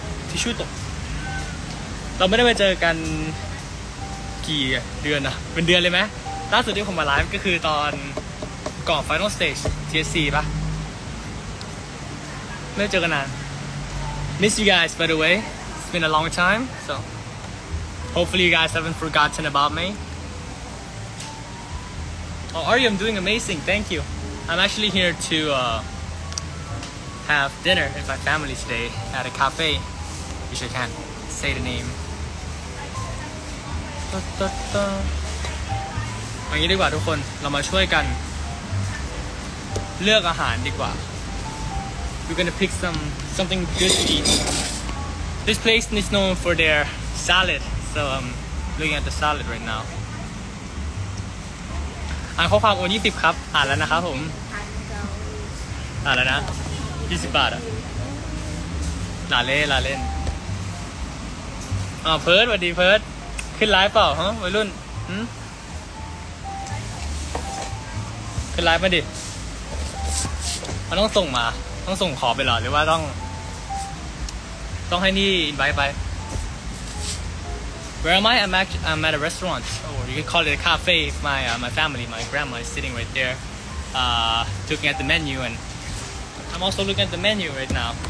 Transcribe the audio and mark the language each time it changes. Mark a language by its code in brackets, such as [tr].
[th] ทิชชู่ตกเราไม่ได้มาเจอกันกี่เดือนอะเป็นเดือนเลยไหมล่าสุดที่ผมมาไลฟ์ก็คือตอนก่อน Final Stage TSC ป่ะไม่เจอกันนาน [en] Miss you guys by the way It's been a long time So Hopefully you guys haven't forgotten about meOh, Ari, I'm doing amazing. Thank you. I'm actually here to have dinner with my family today at a cafe. You sure can't say the name. Da da da. [th] อย่างนี้ดีกว่าทุกคนเรามาช่วยกันเลือกอาหารดีกว่า [en] We're gonna pick something good to eat. This place is known for their salad, so I'm looking at the salad right now. [th] อ่านข้อความโอน20ครับอ่านแล้วนะครับผมอ่านแล้วนะ20บาทอ่ะลาเล่ลาเล่นเพิร์ดสวัสดีเพิร์ดขึ้นไลฟ์เปล่าฮะวัยรุ่นหึขึ้นไลฟ์มาดิมันต้องส่งมาต้องส่งขอไปเหรอหรือว่าต้องให้นี่อินไวต์ไป [en] Where am I? I'm at a restaurantYou can call it a cafe. My family, my grandma is sitting right there, looking at the menu, and I'm also looking at the menu right now.